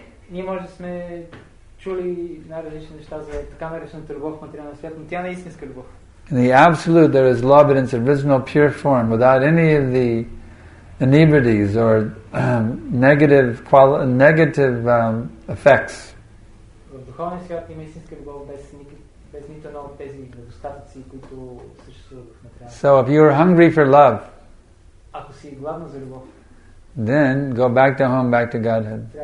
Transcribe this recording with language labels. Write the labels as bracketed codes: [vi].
[bg] Ние може сме чули най-различни неща за така наречената любов в материалния свят, но тя не е истинска любов. [en] In the Absolute, there is love in its original pure form, without any of the inebrieties or negative effects. [bg] В духовния свят има истинска любов без нито едно от тези недостатъци, които [en] So if you are hungry for love, [bg] ако си гладна за любов, [en] then go back to home, back to Godhead.